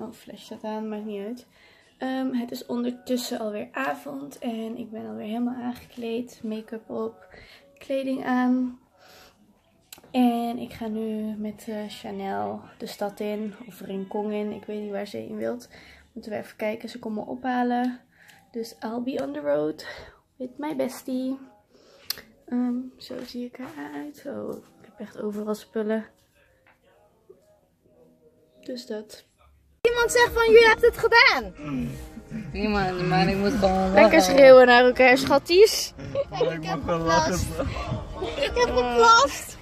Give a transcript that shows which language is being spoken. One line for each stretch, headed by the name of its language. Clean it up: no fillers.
Dutch: Oh, flesje staat aan, maakt niet uit. Het is ondertussen alweer avond en ik ben alweer helemaal aangekleed. Make-up op, kleding aan. En ik ga nu met Chanel de stad in, of Rincon in, ik weet niet waar ze in wilt. Moeten we even kijken, ze komen ophalen.
English: Dus I'll be on the road with my bestie.
Dutch: Zo zie ik eruit. Oh, ik heb echt overal spullen. Dus dat. Iemand zegt van, jullie hebben het gedaan. Niemand, maar ik moet gewoon lachen. Lekker schreeuwen naar elkaar, schatties. Ik heb geplast.